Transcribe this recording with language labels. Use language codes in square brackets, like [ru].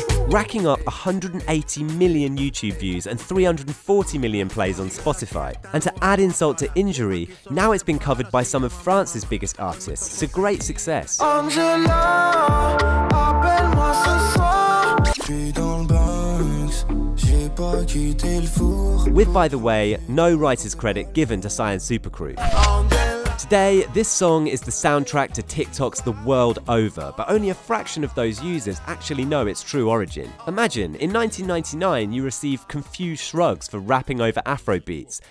[en] Racking up 180 million YouTube views and 340 million plays on Spotify. And to add insult to injury, now it's been covered by some of France's biggest artists. It's a great success. [fr] Angela, appelle-moi ce soir. J'suis dans l'banks, j'ai pas quitté l'four. [en] With, by the way, no writer's credit given to Science Supercrew. Today, this song is the soundtrack to TikToks the world over, but only a fraction of those users actually know its true origin. Imagine, in 1999, you receive confused shrugs for rapping over Afrobeats.